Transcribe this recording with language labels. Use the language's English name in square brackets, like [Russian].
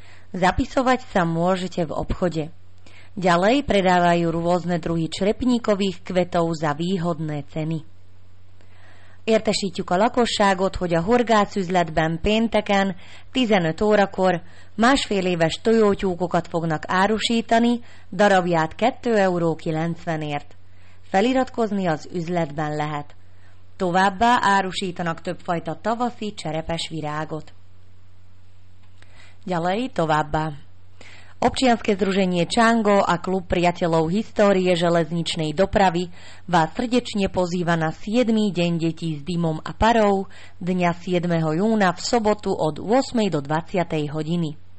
[Slovak] Zapisovať sa môžete v obchode. Ďalej predávajú rôzne druhy črepníkových kvetov za výhodné ceny. [Hungarian] Értesítjük a lakosságot, hogy a horgászüzletben pénteken 15 órakor másfél éves tojótyúkokat fognak árusítani, darabját 2,90 €. Feliratkozni az üzletben lehet. Továbbá árusítanak többfajta tavaszi cserepes virágot. [Slovak] Ďalej [Hungarian] továbbá. [Slovak] Občianske združenie Čango a klub priateľov histórie železničnej dopravy vás srdečne pozýva na 7. deň detí s dymom a parou dňa 7. júna v sobotu od 8. do 20. hodiny.